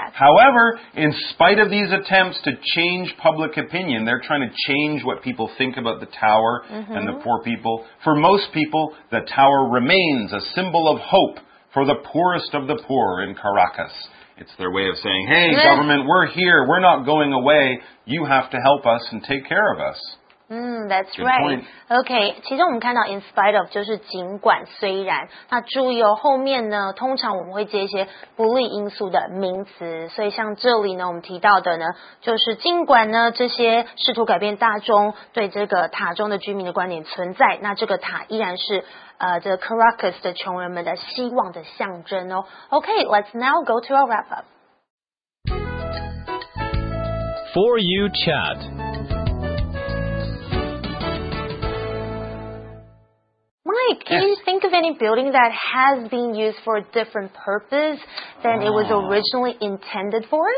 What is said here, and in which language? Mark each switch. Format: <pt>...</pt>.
<en>However, in spite of these attempts to change public opinion, they're trying to change what people think about the tower and the poor people. For most people, the tower remains a symbol of hope for the poorest of the poor in Caracas. It's their way of saying, hey, government, we're here. We're not going away. You have to help us and take care of us. That's right.</en> <zh>Okay, 其实我们看到</zh> <en>in spite of</en> <zh>就是尽管虽然，那注意哦，后面呢通常我们会接一些不利因素的名词，所以像这里呢我们提到的呢就是尽管呢这些试图改变大众对这个塔中的居民的观点存在，那这个塔依然是这 Caracas 的穷人们的希望的象征哦。</zh> <en>Okay, let's now go to our wrap up. For you chat. Mike, can you think of any building that has been used for a different purpose than it was originally intended for?</en>